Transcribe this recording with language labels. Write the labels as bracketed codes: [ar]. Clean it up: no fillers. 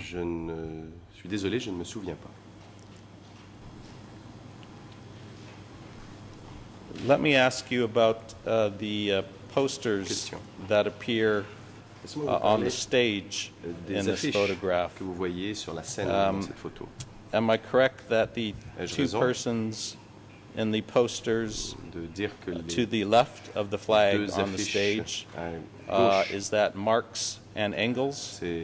[fr] Je ne suis désolé, je ne me souviens pas. [en] Let me ask you about the posters that appear on the stage in this photograph. [fr] Que vous voyez sur la scène dans cette photo. [en] Am I correct that the two persons in the posters to the left of the flag on the stage, is that Marx and Engels?